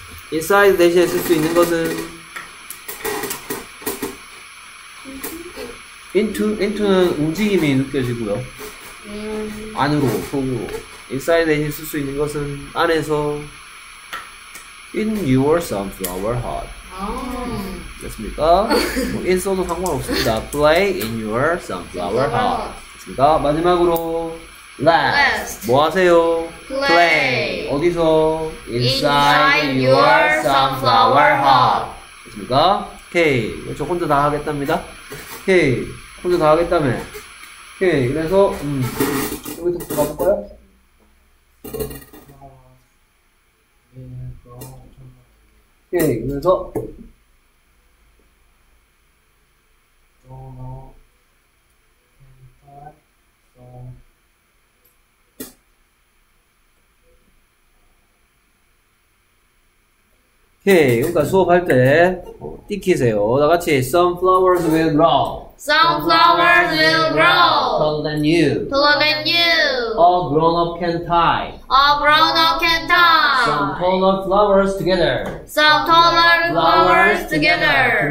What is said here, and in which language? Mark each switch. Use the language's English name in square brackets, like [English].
[Korean] 인사이드 대신에 쓸 수 있는 것은 into는 움직임이 느껴지고요. 안으로, 속으로. 인사이드 대신에 쓸 수 있는 것은 안에서 [English] In your sunflower heart. [Korean] 됐습니까? 뭐 in 써도 상관없습니다. [English] Play in your sunflower heart. [Korean] 됐습니까? 마지막으로 [English] last. [Korean] 뭐 하세요? [English] Play. [Korean] 어디서? [English] Inside your sunflower heart. [Korean] 됐습니까? Okay. 저 혼자 다 하겠답니다. Okay. 혼자 다 하겠다며. Okay. 그래서 여기서 가볼까요? 오케이, 그래서 오케이, 그러니까 수업할 때 띠키세요. 다 같이 [English] Sunflowers will grow. Sunflowers will grow. Taller than you. Taller than you. All grown up can tie. All grown up can tie. Some taller flowers together. Some taller flowers together.